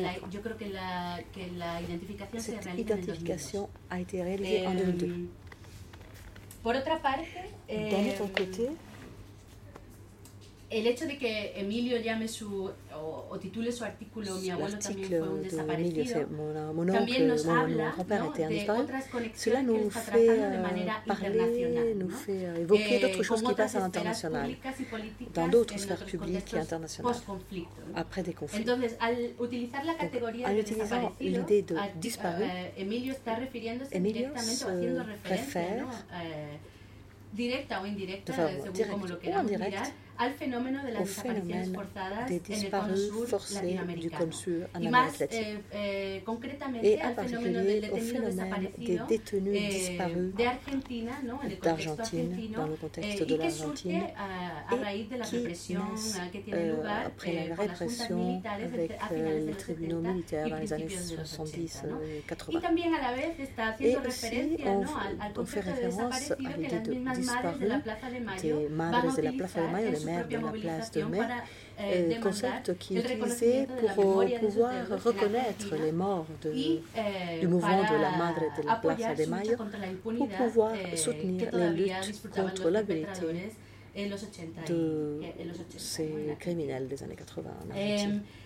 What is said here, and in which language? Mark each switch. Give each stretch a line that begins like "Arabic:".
Spanish: Yo creo que la identificación se realiza en
French: 2002. A été réalisée en 2002.
Spanish: Por otra parte,
French: d'un autre côté,
Spanish: el hecho de que Emilio llame su o titule su artículo mi abuelo también fue un de desaparecido,
French: c'est mon oncle, mon grand-père était un disparu. Cela nous fait parler, évoquer d'autres choses qui passent à l'international, dans d'autres sphères publiques et internationales, après des conflits.
Spanish: Entonces, al utilizar la categoría
French: en utilisant l'idée de disparu,
Spanish: Emilio está refiriéndose directamente o haciendo referencia, directa o indirecta, según como lo queramos mirar, al fenómeno de las desapariciones forzadas en el Cono Sur latinoamericano. Y más concretamente al fenómeno del detenido desaparecido de Argentina, ¿no? En el contexto argentino, y que surge a raíz de la represión que tiene lugar por las juntas militares a finales de los 70 y principios de los 80. Y también a la vez está haciendo referencia, ¿no? Al concepto de desaparecido que las mismas madres de la Plaza de Mayo
French: de la place de mai, concept qui est utilisé pour pouvoir reconnaître les morts du mouvement de la Madre de la Plaza de Mayo, pour pouvoir soutenir les luttes contre l'impunité de ces criminels des années 80 en Argentine.